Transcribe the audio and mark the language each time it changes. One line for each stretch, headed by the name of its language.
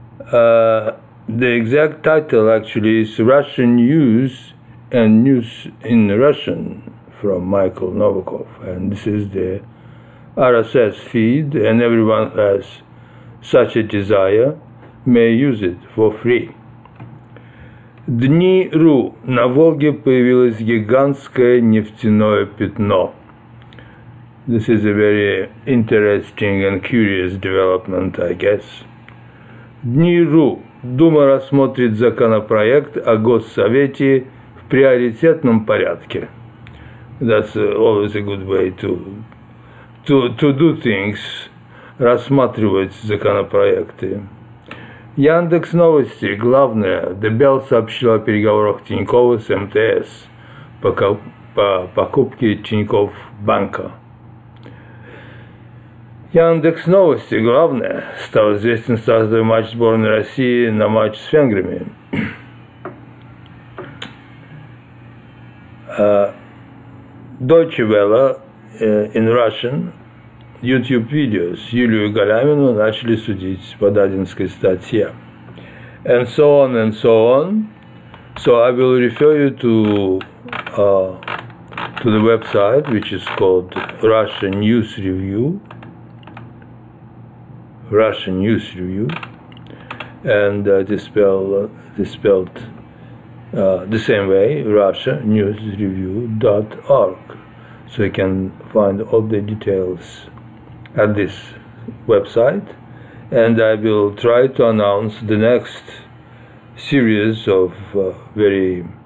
English: The exact title actually is Russian News and News in Russian from Michael Novikov. And this is the RSS feed, and everyone who has such a desire may use it for free. Dni.ru.
Russian: На Волге появилось гигантское нефтяное пятно.
English: This is a very interesting and curious development, I guess. Dni.ru.
Russian: Дума рассмотрит законопроект о Госсовете в приоритетном порядке.
English: That's always a good way to do things,
Russian: рассматривать законопроекты. Яндекс Новости. Главное, Дебел сообщил о переговорах Тинькова с МТС по покупке Тиньков банка. Яндекс Новости. Главное, стал известен стартовый матч сборной России на матч с венграми.
English: Deutsche Welle in Russian. YouTube videos.
Russian: Юлию Галямину начали судить по дадинской статье.
English: And so on and so on. So I will refer you to the website, which is called Russian News Review. Russian News Review, and it is spelled the same way, RussianNewsReview.org, so you can find all the details at this website, and I will try to announce the next series of very